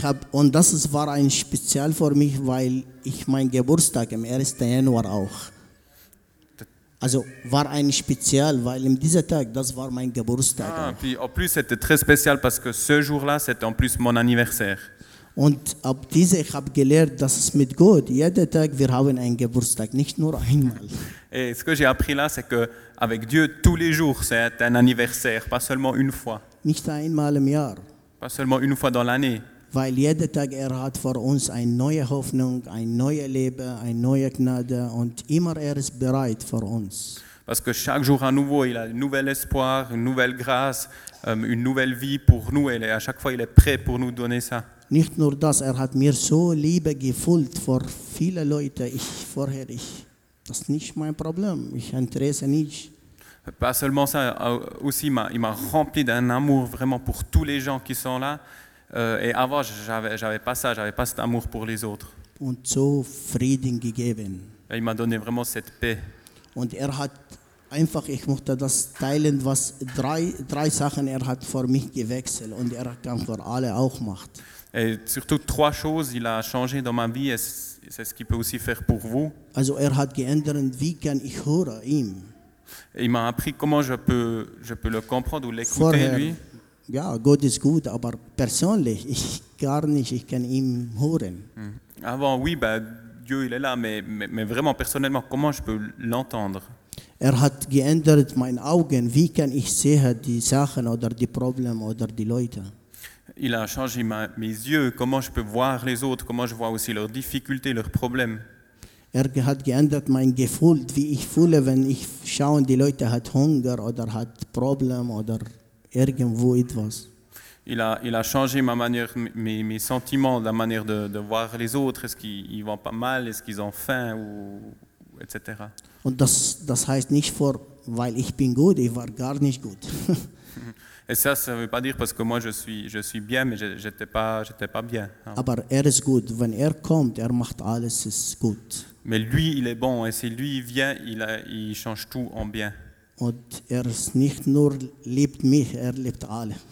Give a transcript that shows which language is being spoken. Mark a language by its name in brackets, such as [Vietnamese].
[German] Und das war ein Spezial für mich, weil ich mein Geburtstag am 1. Januar auch. Also war ein Spezial, weil in diesem Tag, das war mein Geburtstag. [French] Ah, puis en plus c'était très spécial parce que ce jour-là, c'était en plus mon anniversaire. [German] Und ab diesem ich habe gelernt, dass es mit Gott jeden Tag wir haben einen Geburtstag, nicht nur einmal. [French] Et ce que j'ai appris là, c'est que avec Dieu, tous les jours, c'est un anniversaire, pas seulement une fois. [German] Nicht einmal im Jahr. [French] Pas seulement une fois dans l'année. [German] Weil jeden Tag er hat für uns eine neue Hoffnung, ein neues Leben, eine neue Gnade und immer er ist bereit für uns. [French] Parce que chaque jour à nouveau, il a un nouvel espoir, une nouvelle grâce, une nouvelle vie pour nous. Et à chaque fois, il est prêt pour nous donner ça. [German] Nicht nur das, er hat mir so Liebe gefühlt für viele Leute, ich vorher. Das ist nicht mein Problem. Ich interessiere mich. [French] Pas seulement ça, aussi il m'a rempli d'un amour vraiment pour tous les gens qui sont là. Et avant, j'avais pas cet amour pour les autres. [German] Und so Frieden gegeben. [French] Et il m'a donné vraiment cette paix. [German] Und hat einfach, ich möchte das teilen, was drei Sachen hat für mich gewechselt und kann für alle auch macht. [French] Et surtout trois choses il a changé dans ma vie, et c'est ce qu'il peut aussi faire pour vous. [German] Also hat geändert, wie kann ich hören ihm. [French] Et il m'a appris comment je peux le comprendre ou l'écouter [German] vorher, [French] lui. [German] Ja, Gott ist gut, aber persönlich, ich gar nicht, ich kann ihm hören. [French] Avant, oui, Dieu, il est là, mais vraiment, personnellement, comment je peux l'entendre? [German] Hat geändert meine Augen, wie kann ich sehen die Sachen oder die Probleme oder die Leute? [French] Il a changé mes yeux, comment je peux voir les autres, comment je vois aussi leurs difficultés, leurs problèmes. [German] Hat geändert mein Gefühl, wie ich fühle, wenn ich schaue, die Leute hat Hunger oder hat Probleme oder irgendwo etwas. [French] Il a changé ma manière, mes sentiments, la manière de voir les autres. Est-ce qu'ils vont pas mal? Est-ce qu'ils ont faim? Ou etc. [German] Und das heißt nicht vor, weil ich bin gut. Ich war gar nicht gut. [French] Et ça veut pas dire parce que moi je suis bien, mais j'étais pas bien. [German] Hein. Aber ist gut. Wenn kommt, macht alles ist gut. [French] Mais lui, il est bon. Et si lui vient, il change tout en bien. [German] Und ist nicht nur liebt mich, liebt alle.